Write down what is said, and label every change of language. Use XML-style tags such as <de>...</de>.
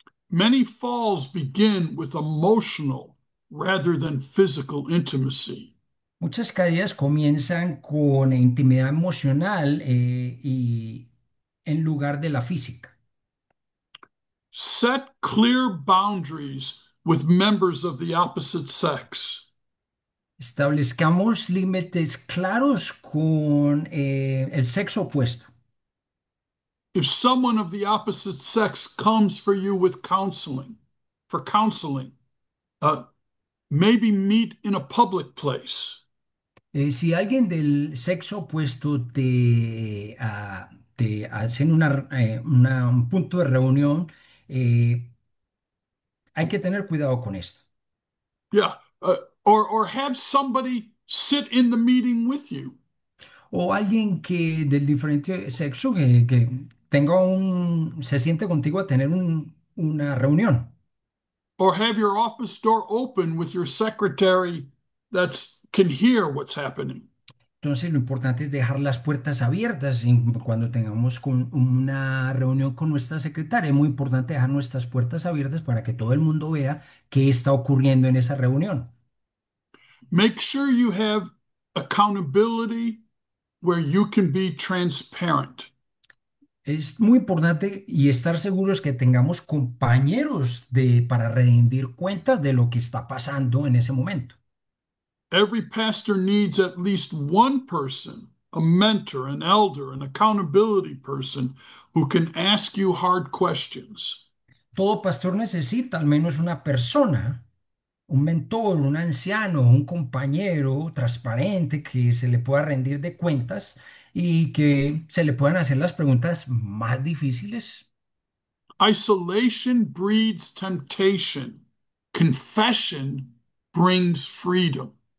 <en>Many falls begin with emotional rather than physical intimacy.</en> <es>Muchas caídas comienzan con intimidad emocional y en lugar de la física.</es> <en>Set clear boundaries with members of the opposite sex.</en> <es>Establezcamos límites claros con el sexo opuesto.</es> <en>If someone of the opposite sex comes for you with counseling, for counseling, maybe meet in a public place.</en> <es>Si alguien del sexo opuesto te hace un punto de reunión, hay que tener cuidado con esto.</es> <en>Or have somebody sit in the meeting with you.</en> <es>O alguien que del diferente sexo que tenga se siente contigo a tener una reunión.</es> <en>Or have your office door open with your secretary that can hear what's happening.</en> <es>Entonces, lo importante es dejar las puertas abiertas cuando tengamos una reunión con nuestra secretaria. Es muy importante dejar nuestras puertas abiertas para que todo el mundo vea qué está ocurriendo en esa reunión.</es> <en>Make sure you have accountability where you can be transparent.</en> <es>Es muy importante y estar seguros que tengamos compañeros para rendir cuentas de lo que está pasando en ese momento.</es> <en>Every pastor needs at least one person, a mentor, an elder, an accountability person who can ask you hard questions.</en> <es>Todo pastor necesita al menos una persona, un mentor, un anciano, un compañero transparente que se le pueda rendir de cuentas y que se le puedan hacer las preguntas más difíciles.</es> <en>Isolation breeds temptation. Confession brings freedom.</en>